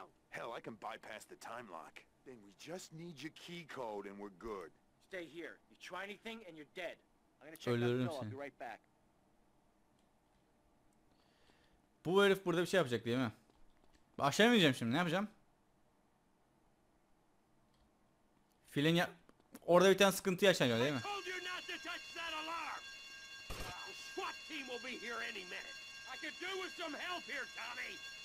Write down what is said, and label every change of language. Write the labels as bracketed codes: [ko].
[en] Hell, I can bypass the time lock. Then we just need your key code and we're good. Stay here. You try anything and you're dead. I'm gonna check out the door. I'll be right back. [tr] Bu herif burada bir şey yapacak değil mi? Aşağı ineceğim şimdi. Ne yapacağım? Filin ya... Orada bir tane sıkıntı yaşanıyor değil mi? [en] I told you not to touch that alarm! The SWAT team will be here any minute. I could do with some help here, Tommy!